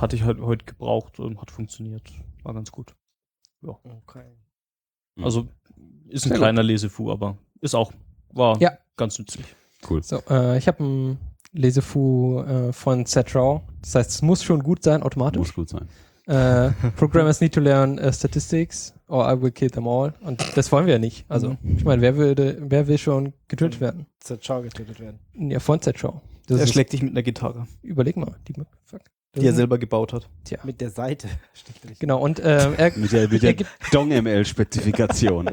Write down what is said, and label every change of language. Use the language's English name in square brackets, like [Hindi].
[German] Hatte ich heute gebraucht und hat funktioniert. War ganz gut. Ja. Okay. Also ist ein kleiner Lesefu, aber ist auch, war ja ganz nützlich. Cool. So, ich habe ein Lesefu von Setrau. Das heißt, es muss schon gut sein, automatisch. Muss gut sein. [English] Programmers need to learn statistics or I will kill them all. [German] Und das wollen wir ja nicht. Also, ich meine, wer will schon getötet werden? Z-Chow getötet werden. Ja, von Z-Chow. Er schlägt dich mit einer Gitarre. Überleg mal, die er selber gebaut hat. Tja. Mit der Seite. Genau, und mit der DongML-Spezifikation.